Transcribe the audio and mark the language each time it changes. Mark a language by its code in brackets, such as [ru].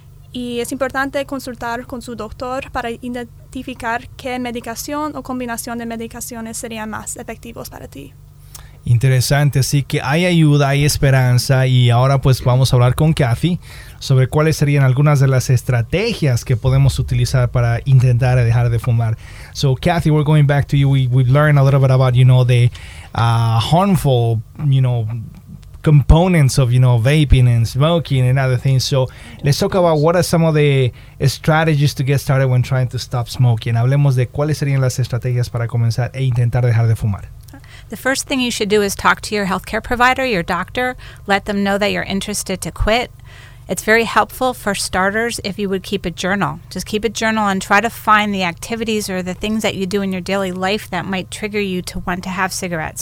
[es] Y es importante consultar con su doctor para identificar qué medicación o combinación de medicaciones serían más efectivos para ti. Interesante, así que hay ayuda, hay esperanza, y ahora pues vamos a hablar con Kathy sobre cuáles serían algunas de las estrategias que podemos utilizar para intentar dejar de fumar. [en] So Kathy, we're going back to you. We've learned a little bit about, you know, the harmful, you know, components of, you know, vaping and smoking and other things. So let's talk about what are some of the strategies to get started when trying to stop smoking. [es] Hablemos de cuáles serían las estrategias para comenzar e intentar dejar de fumar. [en] The first thing you should do is talk to your healthcare provider, your doctor. Let them know that you're interested to quit. It's very helpful for starters if you would keep a journal. Just keep a journal and try to find the activities or the things that you do in your daily life that might trigger you to want to have cigarettes.